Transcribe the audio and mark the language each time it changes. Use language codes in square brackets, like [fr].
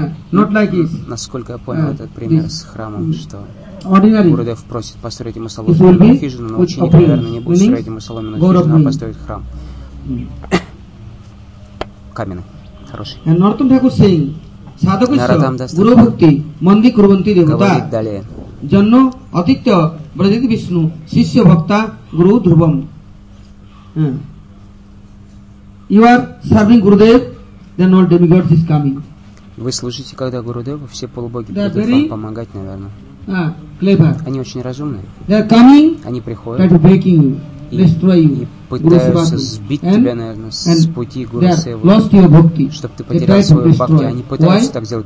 [ru] Насколько я понял этот пример с храмом, что Гурудев просит построить ему соломенную хижину, но ученик, наверное, не будет строить ему соломенную хижину, а построить храм. Каменный. Хороший. [sa] Наратам даст. Гуру Бхакти, Манди Курванти Девата. [ru] Говорит далее. [sa] Джанно Атитья Брадиди Вишну, Сисья Бхакта Гуру Дхрубам. [en] You are serving Gurudev, then all demigods is coming. [ru] Вы служите, когда Гурудеву, все полубоги будут вам помогать, наверное. Они очень разумные. Они приходят и пытаются сбить тебя, наверное, с пути Гурусевы, чтобы ты потерял свою бхакти. Они пытаются так сделать.